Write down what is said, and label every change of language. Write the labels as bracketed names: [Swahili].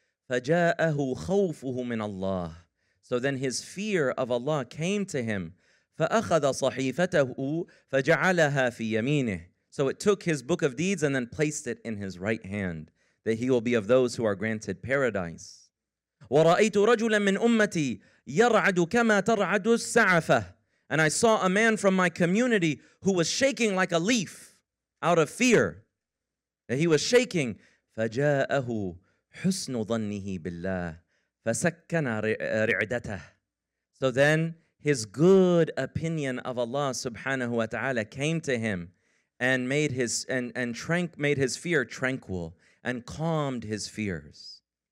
[Arabic] فَجَاءَهُ خَوْفُهُ مِّنَ اللَّهِ. [English] So then his fear of Allah came to him. [Arabic] فَأَخَذَ صَحِيفَتَهُ فَجَعَلَهَا فِي يَمِينِهِ. [English] So it took his book of deeds and then placed it in his right hand, that he will be of those who are granted paradise. [Arabic] وَرَأَيْتُ رَجُلًا مِّنْ أُمَّتِي يَرْعَدُ كَمَا تَرْعَدُ السَّعَفَةِ. [English] And I saw a man from my community who was shaking like a leaf out of fear. And he was shaking. [Arabic] فَجَاءَهُ حُسْنُ ظَنِّهِ بِاللَّهِ فَسَكَّنَ رِعْدَتَهِ. [English] So then his good opinion of Allah subhanahu wa ta'ala came to him and made his made his fear tranquil and calmed his fears.